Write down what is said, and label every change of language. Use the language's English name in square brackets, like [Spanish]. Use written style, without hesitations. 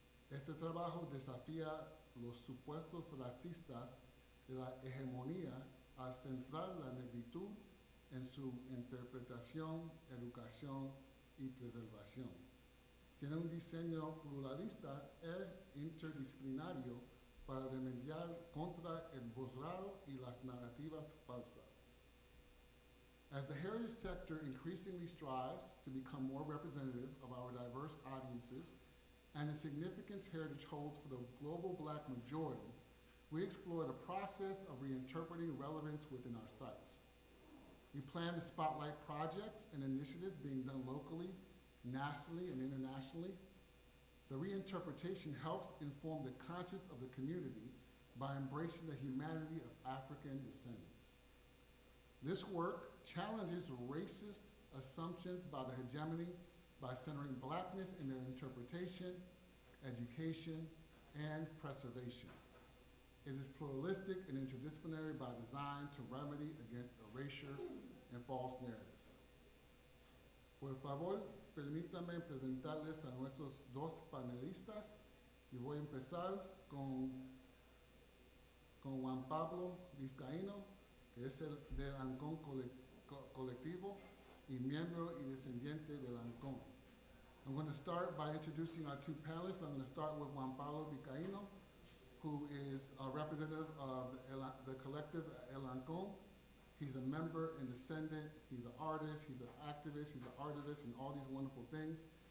[Spanish] Este trabajo desafía los supuestos racistas de la hegemonía al centrar la negritud en su interpretación, educación y preservación. Tiene un diseño pluralista e interdisciplinario para remediar contra el borrado y las narrativas falsas. [English] As the heritage sector increasingly strives to become more representative of our diverse audiences, and the significance heritage holds for the global black majority, we explore the process of reinterpreting relevance within our sites. We plan to spotlight projects and initiatives being done locally, nationally, and internationally. The reinterpretation helps inform the conscience of the community by embracing the humanity of African descendants. This work challenges racist assumptions by the hegemony by centering blackness in their interpretation, education, and preservation. It is pluralistic and interdisciplinary by design to remedy against erasure and false narratives. [Spanish] Por favor, permítame presentarles a nuestros dos panelistas. Y voy a empezar con Juan Pablo Vizcaíno, que es el del Ancón Colectivo y miembro y descendiente del Ancón. [English] I'm going to start by introducing our two panelists, but I'm going to start with Juan Pablo Vizcaíno, who is a representative of the collective El Ancón. He's a member and descendant, he's an artist, he's an activist, and all these wonderful things.